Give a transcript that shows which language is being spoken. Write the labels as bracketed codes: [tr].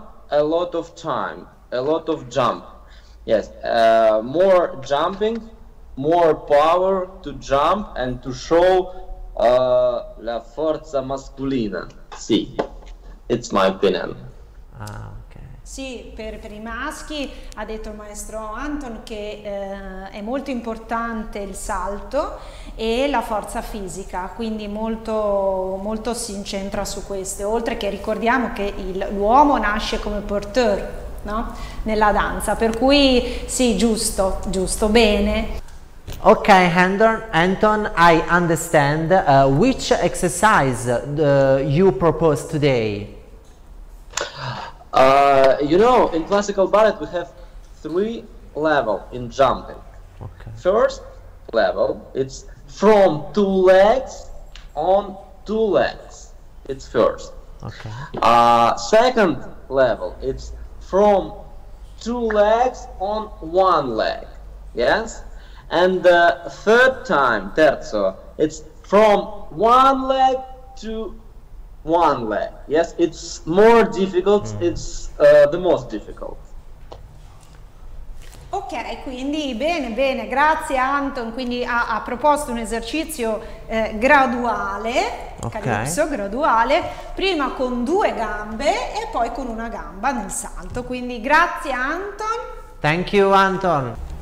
[en] a lot of time, a lot of jump. Yes, more jumping, more power to jump and to show [it] la forza masculina. [en] Sì, it's my opinion. Ah, ok. [it] Sì, per i maschi ha detto il maestro Anton che è molto importante il salto e la forza fisica, quindi molto, molto si incentra su questo. Oltre che ricordiamo che l'uomo nasce come porteur, no? Nella danza, per cui sì, giusto, giusto, bene. [en] Ok, Anton, I understand. Which exercise you propose today? You know, in classical ballet we have three levels in jumping. Okay. First level, it's from two legs on two legs. It's first. Okay. Second level, it's from two legs on one leg. Yes? And the third time, terzo, it's from one leg to one leg. Yes, it's more difficult, it's the most difficult. [it] Ok, quindi bene, bene, grazie Anton. Quindi ha proposto un esercizio graduale, okay. Calypso graduale, prima con due gambe e poi con una gamba nel salto. Quindi grazie Anton. [en] Thank you, Anton.